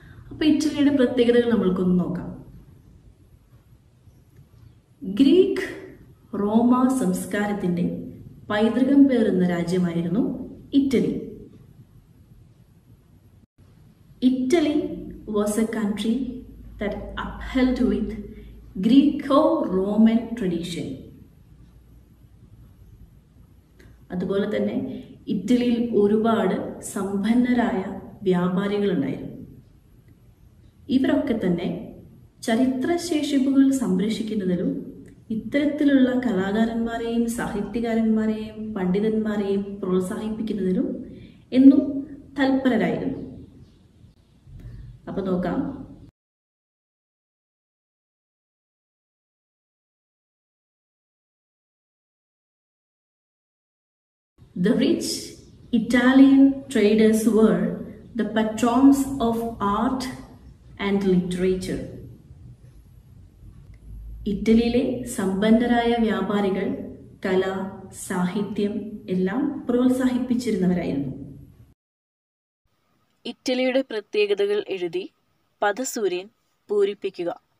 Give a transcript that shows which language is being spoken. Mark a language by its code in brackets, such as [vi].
[ml] അപ്പോൾ ഇറ്റലിയുടെ പ്രത്യേകതകൾ നമ്മൾക്കൊന്ന് നോക്കാം. ഗ്രീക്ക് റോമ സംസ്കാരത്തിൻ്റെ പൈതൃകം പേറുന്ന രാജ്യമായിരുന്നു Italy. Italy [en] was a country that upheld with Greco-Roman tradition. [ml] അതുപോലെ തന്നെ ഇറ്റലിയിൽ ഒരുപാട് സമ്പന്നരായ വ്യാപാരികളുണ്ടായിരുന്നു. ഇവരൊക്കെ തന്നെ ചരിത്രശേഷിപ്പുകൾ സംരക്ഷിക്കുന്നതിലും ഇത്തരത്തിലുള്ള കലാകാരന്മാരെയും സാഹിത്യകാരന്മാരെയും പണ്ഡിതന്മാരെയും പ്രോത്സാഹിപ്പിക്കുന്നതിലും എന്നും തൽപരരായിരുന്നു. അപ്പൊ നോക്കാം. [en] The rich Italian traders were the patrons of art and literature. [ml] ഇറ്റലിയിലെ സമ്പന്നരായ വ്യാപാരികൾ കല, സാഹിത്യം എല്ലാം പ്രോത്സാഹിപ്പിച്ചിരുന്നവരായിരുന്നു. ഇറ്റലിയുടെ പ്രത്യേകതകൾ എഴുതി പദസൂര്യൻ പൂരിപ്പിക്കുക.